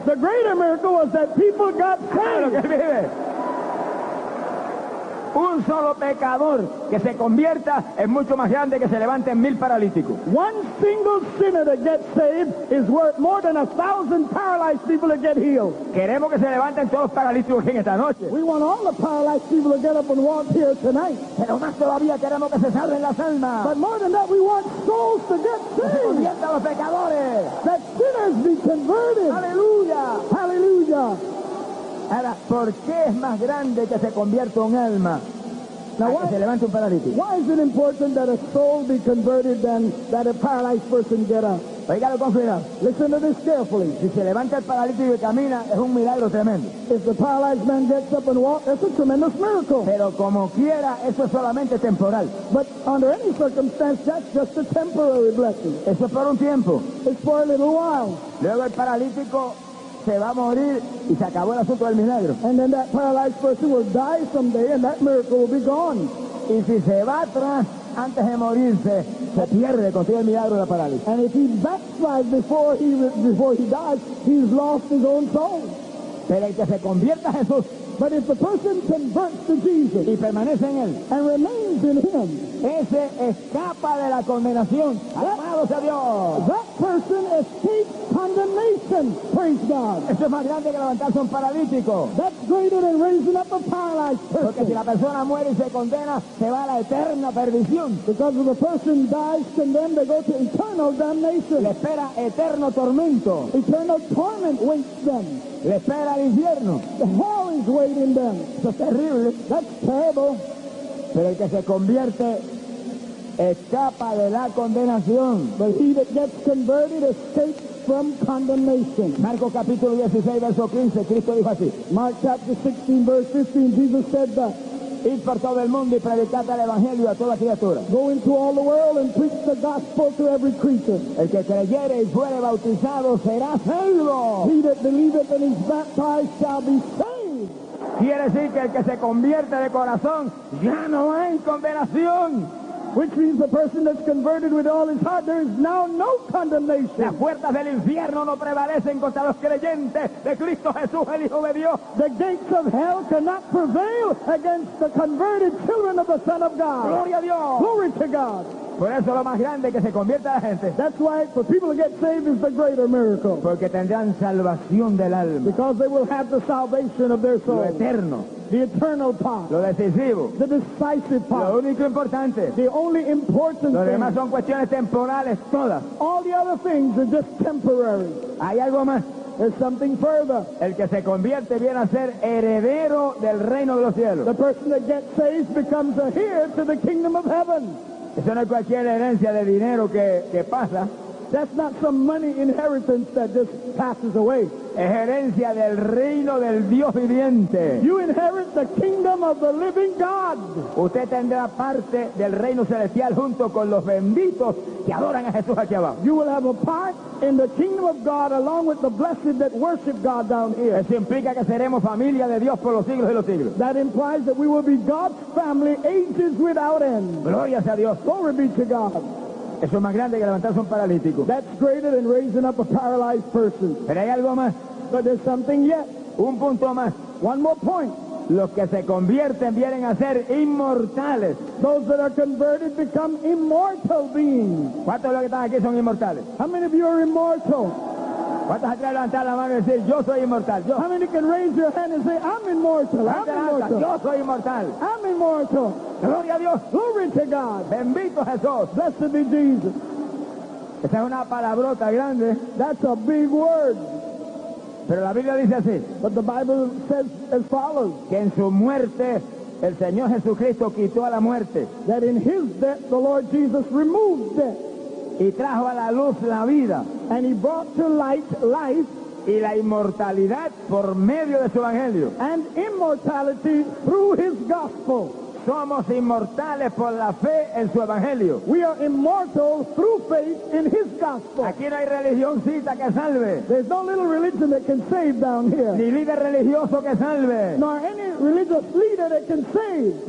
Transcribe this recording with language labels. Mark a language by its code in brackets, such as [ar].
[en] The greater miracle was that people got saved. [es] Lo que vive. Un solo pecador que se convierta es mucho más grande que se levanten 1,000 paralíticos. [en] One single sinner that gets saved is worth more than 1,000 paralyzed people that get healed. [es] Queremos que se levanten todos los paralíticos en esta noche. [en] We want all the paralyzed people to get up and walk here tonight. [es] Pero más todavía queremos que se salven las almas. [en] But more than that, we want souls to get saved. [es] Que se conviertan los pecadores. [en] That sinners be converted. [es] Aleluya. Aleluya. Ahora, ¿por qué es más grande que se convierta un alma a que se levante un paralítico? [en] Why is it important that a soul be converted than that a paralyzed person get up? [es] Oígalo con cuidado. [en] Listen to this carefully. [es] Si se levanta el paralítico y camina, es un milagro tremendo. [en] If the paralyzed man gets up and walks, that's a tremendous miracle. [es] Pero como quiera, eso es solamente temporal. [en] But under any circumstance, that's just a temporary blessing. [es] Eso es por un tiempo. [en] It's for a little while. [es] Luego el paralítico se va a morir y se acabó el asunto del milagro. [en] And then that paralyzed person will die someday and that miracle will be gone. [es] Y si se va atrás antes de morirse, se pierde consigo el milagro de la parálisis. [en] And if he backslides before he dies, he's lost his own soul. [es] Pero el que se convierta a Jesús, [en] but if the person converts to Jesus [es] y permanece en él, [en] and remains in him, [es] ese escapa de la condenación. Alabado sea Dios. [en] That person escapes condemnation. Praise God. [es] Eso es más grande que levantarse un paralítico. [en] That's greater than raising up a paralyzed person. [es] Porque si la persona muere y se condena, se va a la eterna perdición. [en] Because if the person dies condemned, they go to eternal damnation. [es] Le espera eterno tormento. [en] Eternal torment waits them. [es] Le espera el infierno. [en] The hell is waiting them. [es] Eso es terrible. [en] That's terrible. [es] Pero el que se convierte escapa de la condenación. [en] But he that gets converted escapes from condemnation. [es] Marcos capítulo 16, verso 15, Cristo dijo así. [en] Mark chapter 16, verse 15, Jesus said that. [es] Ir por todo el mundo y predicar el evangelio a toda criatura. [en] Go into all the world and preach the gospel to every creature. [es] El que creyere y fuere bautizado será salvo. [en] He that believeth and is baptized shall be saved. [es] Quiere decir que el que se convierte de corazón ya no hay condenación. [en] Which means the person that's converted with all his heart, there is now no condemnation. [es] Las puertas del infierno no prevalecen contra los creyentes de Cristo Jesús, el Hijo de Dios. [en] The gates of hell cannot prevail against the converted children of the Son of God. [es] Gloria a Dios. [en] Glory to God. [es] Por eso lo más grande que se convierta la gente. [en] That's why for people to get saved is the greater miracle. [es] Porque tendrán salvación del alma. [en] Because they will have the salvation of their soul. [es] Lo eterno. [en] The eternal part. [es] Lo decisivo. [en] The decisive part. [es] Lo único importante. [en] The only important [es] Los demás son cuestiones temporales todas. [en] All the other things are just temporary. [es] Hay algo más. [en] There's something further. [es] El que se convierte viene a ser heredero del reino de los cielos. [en] The person that gets saved becomes a heir to the kingdom of heaven. [es] Eso no es cualquier herencia de dinero que pasa. [en] That's not some money inheritance that just passes away. [es] Es herencia del reino del Dios viviente. [en] You inherit the kingdom of the living God. [es] Usted tendrá parte del reino celestial junto con los benditos que adoran a Jesús aquí abajo. [en] You will have a part in the kingdom of God along with the blessed that worship God down here. [es] Eso implica que seremos familia de Dios por los siglos y los siglos. [en] That implies that we will be God's family ages without end. [es] Gloria sea a Dios. [en] Glory be to God. [es] Eso es más grande que levantarse un paralítico. [en] That's greater than raising up a paralyzed person. [es] Pero hay algo más. [en] But there's something yet. [es] Un punto más. [en] One more point. [es] Los que se convierten vienen a ser inmortales. [en] Those that are converted become immortal beings. [es] ¿Cuántos de los que están aquí son inmortales? [en] How many of you are immortal? [es] ¿Cuántos atreven a levantar la mano y decir, yo soy inmortal? Yo. [en] How many can raise your hand and say, I'm immortal, I'm immortal. [es] Yo soy inmortal. [en] I'm immortal. [es] Gloria a Dios. [en] Glory to God. [es] Bendito Jesús. [en] Blessed be Jesus. [es] Esa es una palabrota grande. [en] That's a big word. [es] Pero la Biblia dice así. [en] But the Bible says as follows. [es] Que en su muerte, el Señor Jesucristo quitó a la muerte. [en] That in his death, the Lord Jesus removed death. [es] Y trajo a la luz la vida. [en] And he brought to light life. [es] Y la inmortalidad por medio de su evangelio. [en] And immortality through his gospel. [es] Somos inmortales por la fe en su evangelio. [en] We are immortal through faith in his gospel. [es] Aquí no hay religioncita que salve. [en] There's no little religion that can save down here. [es] Ni líder religioso que salve. [en] Nor any religious leader that can save.